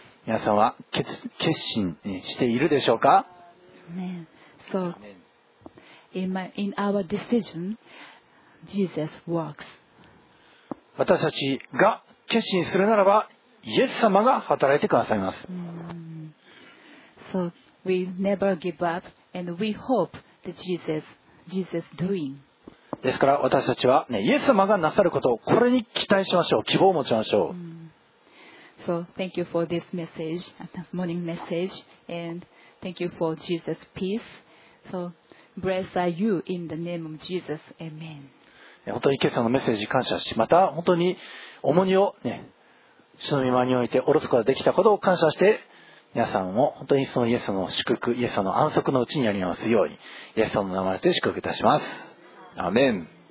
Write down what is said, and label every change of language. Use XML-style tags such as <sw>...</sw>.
<ja>皆さんは決心、ね、しているでしょうか？</ja> <en>Amen. So,In our decision, Jesus works.</en> <ja>私たちが決心するならば、イエス様が働いてくださいます。</ja> <en>So we never give up, and we hope that Jesus doing.</en> <ja>ですから私たちは、ね、イエス様がなさることをこれに期待しましょう、希望を持ちましょう。</ja> <en>So thank you for this message, morning message, and thank you for Jesus' peace. So blessed are you in the name of Jesus. Amen.</en> <ja>本当に今朝のメッセージ感謝し、また本当に重荷を、ね、主の御前において下ろすことができたことを感謝して、皆さんも本当にそのイエス様の祝福、イエス様の安息のうちにありますように、イエス様の名前で祝福いたします。アメン。</ja>